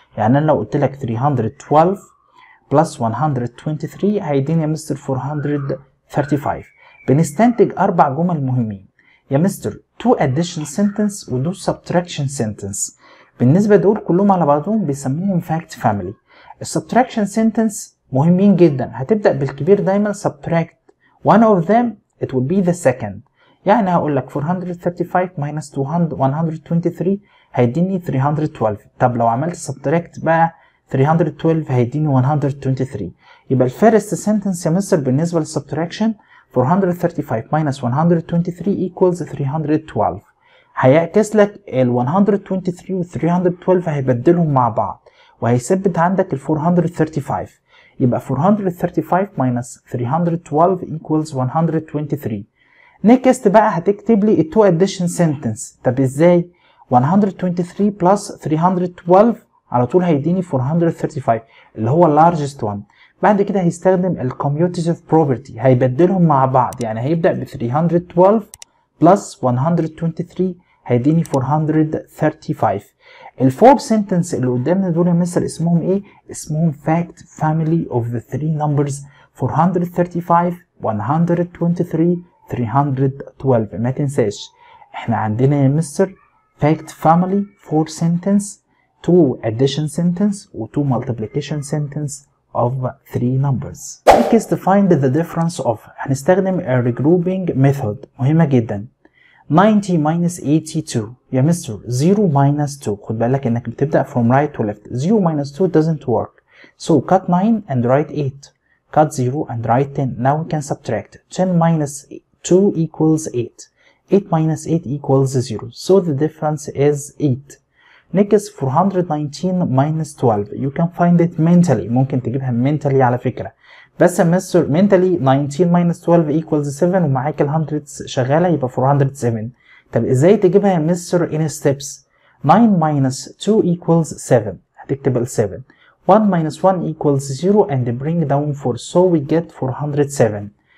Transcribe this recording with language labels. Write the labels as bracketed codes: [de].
[ar] يعني انا لو قلت لك 312 بلس 123 هيديني يا مستر 435. بنستنتج اربع جمل مهمين يا مستر، تو اديشن سنتنس ودو سبتراكشن سنتنس. بالنسبة دول كلهم على بعضهم بيسموهم fact family. [en] Subtraction sentence مهمين جدا، [ar] هتبدأ بالكبير دايما [en] subtract one of them it will be the second. [ar] يعني هقول لك 435 minus 123 هيديني 312. طب لو عملت subtract بقى 312 هيديني 123. يبقى الفيرست sentence يا مستر بالنسبة للsubtraction 435 minus 123 equals 312. هيعكس لك ال 123 و 312 هيبدلهم مع بعض وهيثبت عندك ال 435. يبقى 435 minus 312 equals 123. next بقى هتكتب لي التو اديشن سنتنس. طب ازاي 123 plus 312 على طول هيديني 435 اللي هو اللارجست وان. بعد كده هيستخدم الكوميوتيف بروبرتي، هيبدلهم مع بعض. يعني هيبدا ب 312 plus 123 هيديني 435. الفور سنتنس اللي قدامنا دول يا مستر اسمهم ايه؟ اسمهم fact family of the three numbers 435 123 312. ما تنساش احنا عندنا يا مستر fact family four sentence two addition sentence و two multiplication sentence of three numbers. [en] Next to find the difference of هنستخدم a regrouping method مهمة جدا. 90 minus 82 يا مستر 0 minus 2. [ar] خد بالك انك بتبدأ from right to left. [en] 0 minus 2 doesn't work. So cut 9 and write 8. Cut 0 and write 10. Now we can subtract. 10 minus 2 equals 8. 8 minus 8 equals 0. So the difference is 8. Next is 419 minus 12. You can find it mentally. [ar] ممكن تجيبها mentally على فكرة. بس يا مستر mentally 19 minus 12 equals 7 ومعاك ال 100s شغالة يبقى 407. طب ازاي تجيبها يا مستر in steps؟ [en] 9 minus 2 equals 7 [ar] هتكتب ال 7. [en] 1 minus 1 equals 0 and bring down 4 so we get 407.